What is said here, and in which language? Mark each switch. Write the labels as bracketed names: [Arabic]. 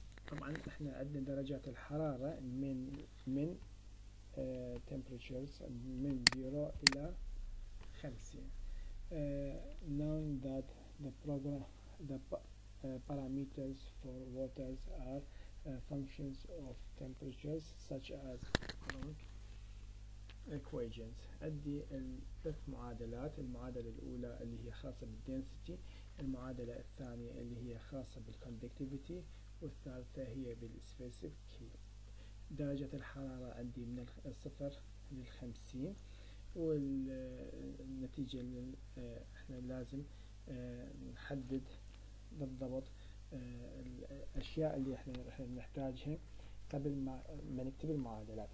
[Arabic] طبعا احنا عندنا درجات الحرارة من temperatures من 0 الى 50. [English] Knowing that the program the parameters for waters are functions of temperatures such as equations. [Arabic] أدي الثلاث معادلات، المعادلة الأولى اللي هي خاصة بالdensity، المعادلة الثانية اللي هي خاصة بالconductivity، والثالثة هي بالspecific heat. درجة الحرارة عندي من الصفر للخمسين، والنتيجة اللي احنا لازم نحدد بالضبط الأشياء اللي احنا راح نحتاجها قبل ما نكتب المعادلات.